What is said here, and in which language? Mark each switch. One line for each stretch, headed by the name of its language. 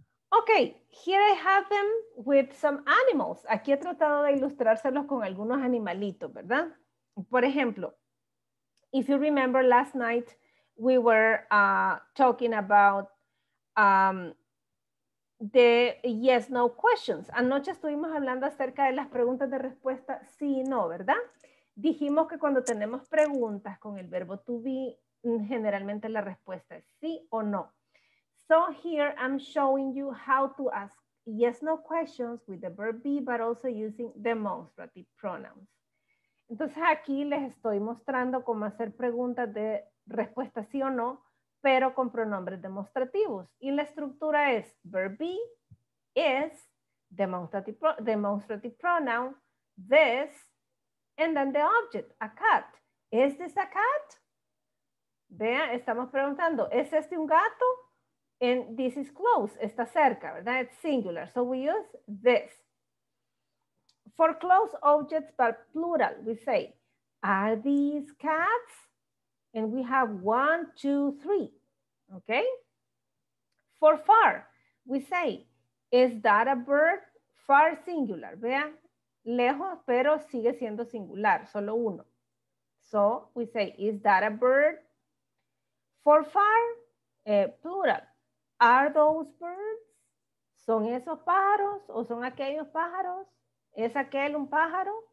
English: Ok, here I have them with some animals.
Spanish: Aquí he tratado de ilustrárselos con algunos animalitos, ¿verdad? Por ejemplo,
English: if you remember last night, we were talking about the yes, no questions.
Spanish: Anoche estuvimos hablando acerca de las preguntas de respuesta sí y no, ¿verdad? Dijimos que cuando tenemos preguntas con el verbo to be, generalmente la respuesta es sí o no.
English: So here I'm showing you how to ask yes, no questions with the verb be, but also using demonstrative pronouns.
Spanish: Entonces aquí les estoy mostrando cómo hacer preguntas de respuesta sí o no, pero con pronombres demostrativos. Y la estructura es
English: verb be, is, demonstrative pronoun, this, and then the object, a cat. Is this a cat?
Spanish: Vean, estamos preguntando, ¿es este un gato?
English: And this is close,
Spanish: está cerca, ¿verdad?
English: It's singular, so we use this. For close objects, but plural, we say, are these cats? And we have one, two, three. Okay, for far, we say, is that a bird?
Spanish: Far singular, vean, lejos, pero sigue siendo singular, solo uno.
English: So we say, is that a bird? For far, plural, are those birds?
Spanish: ¿Son esos pájaros o son aquellos pájaros? ¿Es aquel un pájaro?